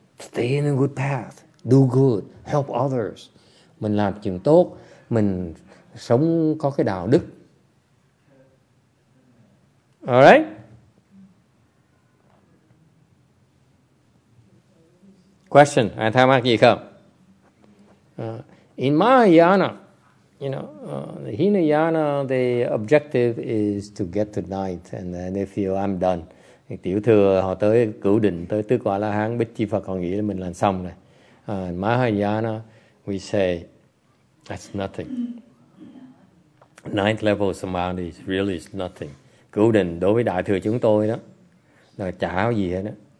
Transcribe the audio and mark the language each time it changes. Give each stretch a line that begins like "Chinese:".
English: Stay in a good path. Do good. Help others.
Vietnamese: Mình làm chuyện tốt. Mình sống có cái đạo đức.
English: All right?
Vietnamese: Question, ai thắc mắc gì không?
English: In Mahayana, you know, the Hinayana, the objective is to get to ninth and then they feel I'm done.
Vietnamese: Thì tiểu thừa họ tới cửu định, tới tứ quả la hán, bích chi Phật còn nghĩ là mình làm xong rồi.
English: In Mahayana, we say, that's nothing. Ninth level samadhi really is nothing.
Vietnamese: Golden, đối với đại thừa chúng tôi đó, là chả có gì hết đó.